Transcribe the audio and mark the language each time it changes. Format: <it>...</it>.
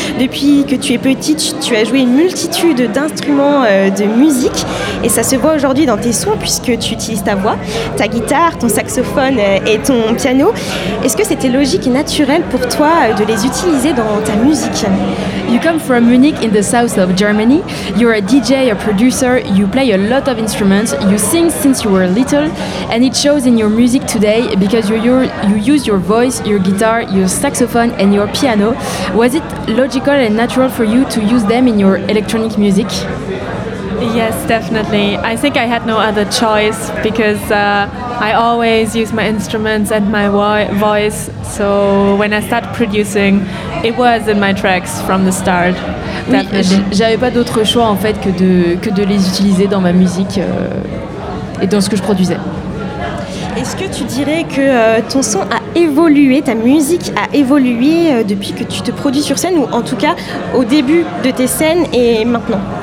<fr>Depuis que tu es petite, tu as joué une multitude d'instruments de musique. Et ça se voit aujourd'hui dans tes sons, puisque tu utilises ta voix, ta guitare, ton saxophone et ton piano. Est-ce que c'était logique et naturel pour toi de les utiliser dans ta musique?</fr> <en>You come from Munich in the south of Germany. You're a DJ, a producer, you play a lot of instruments, you sing since you were little. And it shows in your music today because you use your voice, your guitar, your saxophone and your piano. Was it logical and natural for you to use them in your electronic music? Yes, definitely. I think I had no other choice because I always use my instruments and my voice. So when I started producing, it was in my tracks from the start.</en> <fr>Oui, j'avais pas d'autre choix en fait que de les utiliser dans ma musique et dans ce que je produisais. Est-ce que tu dirais que ton son a évolué, ta musique a évolué depuis que tu te produis sur scène, ou en tout cas au début de tes scènes et maintenant?</fr>